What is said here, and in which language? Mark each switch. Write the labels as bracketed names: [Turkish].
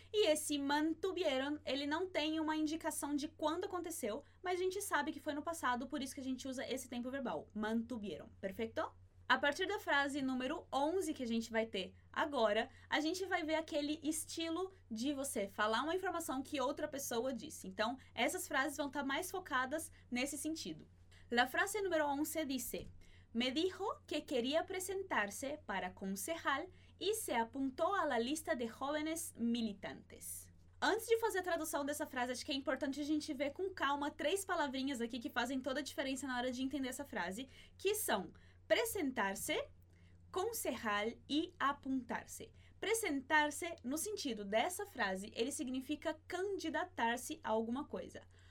[Portuguese] E esse mantuvieron, ele não tem uma indicação de quando aconteceu, mas a gente sabe que foi no passado, por isso que a gente usa esse tempo verbal, mantuvieron, perfeito? A partir da frase número 11 que a gente vai ter agora, a gente vai ver aquele estilo de você falar uma informação que outra pessoa disse. Então, essas frases vão estar mais focadas nesse sentido. [Spanish] La frase número 11 dice: me dijo que quería presentarse para concejal y se apuntó a la lista de jóvenes militantes. [Portuguese] Antes de fazer a tradução dessa frase, acho que é importante a gente ver com calma três palavrinhas aqui que fazem toda a diferença na hora de entender essa frase, que são presentar-se, concejal e apuntar-se. Presentar-se, no sentido dessa frase, ele significa candidatar-se a alguma coisa.